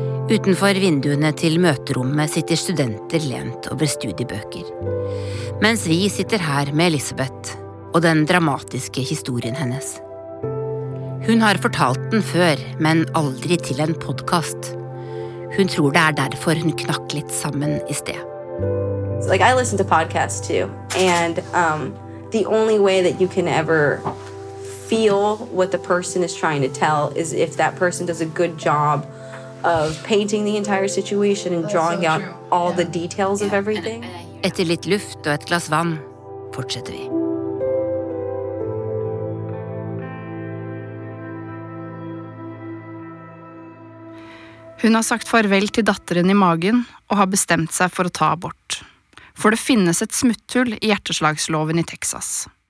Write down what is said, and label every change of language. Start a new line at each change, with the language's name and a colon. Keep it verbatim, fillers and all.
Norwegian: Utenfor vinduene til møterommet sitter studenter lent over studiebøker. Mens vi sitter her med Elisabeth og den dramatiske historien hennes. Hun har fortalt den før, men aldri til en podcast. Hun tror det er derfor hun knakk litt sammen I sted.
English: So, like, I listen to podcasts too, and um the only way that you can ever feel what the person is trying to tell is if that person does a good job of painting the entire situation and drawing out all the details of everything.
Norwegian: Etter litt luft og et glass vann, fortsetter vi. Hun har sagt farvel til datteren I magen og har bestemt seg for å ta abort. For det finnes et smutthull I hjerteslagsloven I Texas.